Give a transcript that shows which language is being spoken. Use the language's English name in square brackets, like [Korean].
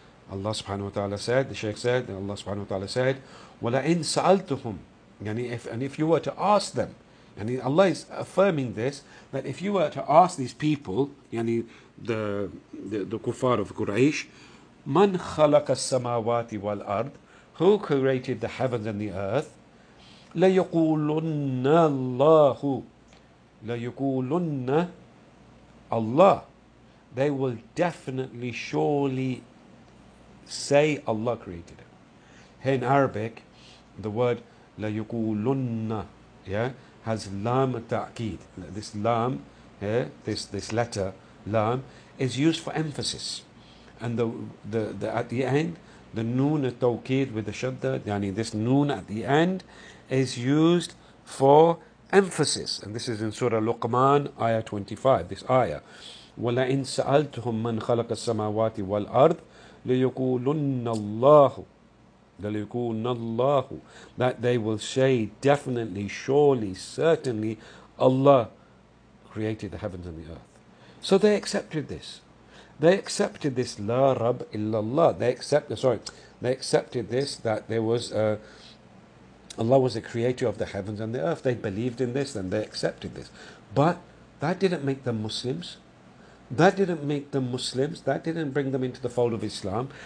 [English] Allah subhanahu wa ta'ala said, the Shaykh said, and Allah subhanahu wa ta'ala said, [Arabic] وَلَئِن سَأَلْتُهُمْ, [English] and if you were to ask them, and Allah is affirming this, that if you were to ask these people, yani the kuffar of Quraysh, [Arabic] مَنْ خَلَقَ السَّمَاوَاتِ وَالْأَرْضِ, [English] who created the heavens and the earth, [Arabic] ليقولن الله، ليقولن الله. [English] They will definitely, surely say Allah created it. In Arabic, the word ليقولن, yeah, has lam ta'kid. This lam, yeah, this letter lam, is used for emphasis. And the at the end, the noon ta'kid with the shadda, yani this noon at the end, is used for emphasis. And this is in Surah Luqman, ayah 25, this ayah. [Arabic] وَلَئِنْ سَأَلْتُهُمْ مَنْ خَلَقَ السَّمَاوَاتِ وَالْأَرْضِ لَيَقُولُنَّ اللَّهُ [English] لَيَقُولُنَّ اللَّهُ. That they will say definitely, surely, certainly, Allah created the heavens and the earth. So they accepted this. They accepted this [Arabic] لَا رَبْ إِلَّا اللَّهُ. [English] They accepted this, that there was Allah was the creator of the heavens and the earth. They believed in this and they accepted this. But that didn't make them Muslims. That didn't make them Muslims. That didn't bring them into the fold of Islam.